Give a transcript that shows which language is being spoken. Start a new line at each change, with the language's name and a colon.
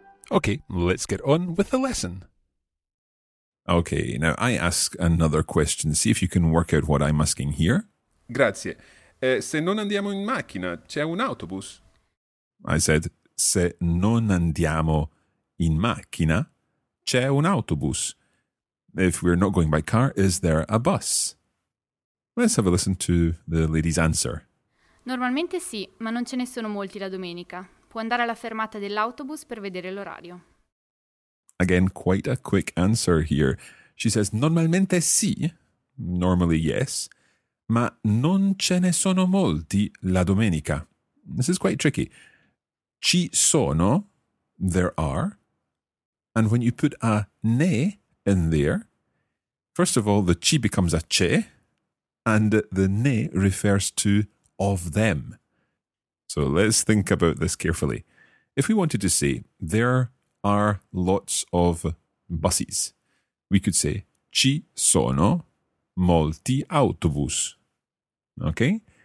English: Okay, let's get on with the lesson. Okay, now I ask another question. See if you can work out what I'm asking here.
Italian: Grazie. Se non andiamo in macchina, c'è un autobus?
English: I said,
Italian: se non andiamo in macchina, c'è un autobus.
English: If we're not going by car, is there a bus? Let's have a listen to the lady's answer.
Italian: Normalmente sì, ma non ce ne sono molti la domenica. Può andare alla fermata dell'autobus per vedere l'orario.
English: Again, quite a quick answer here. She says,
Italian: normalmente sì,
English: normally yes,
Italian: ma non ce ne sono molti la domenica.
English: This is quite tricky.
Italian: Ci sono,
English: there are. And when you put a ne in there, first of all, the ci becomes a ce, and the ne refers to of them. So let's think about this carefully. If we wanted to say, there are lots of buses, we could say,
Italian: ci sono molti autobus.
English: Okay?